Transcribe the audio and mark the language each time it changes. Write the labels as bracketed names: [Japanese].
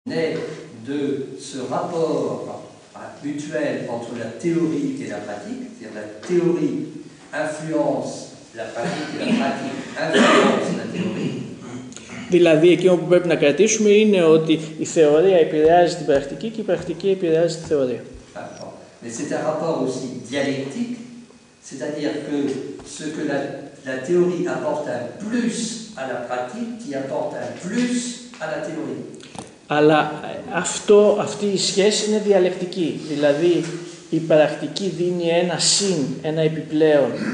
[French] naît de ce rapport mutuel entre la théorie et la pratique, c'est-à-dire la théorie influence la pratique et la pratique influence la théorie. [Greek] Δηλαδή, εκεί που πρέπει να κρατήσουμε είναι ότι η θεωρία επηρεάζει την πρακτική και η πρακτική επηρεάζει τη θεωρία. [French] Mais c'est un rapport aussi dialectique, c'est-à-dire que ce que la théorie apporte un plus à la pratique qui apporte un plus à la théorie. [Greek] Αλλά αυτή η σχέση είναι διαλεκτική. Δηλαδή, η πρακτική δίνει ένα συν, ένα επιπλέον.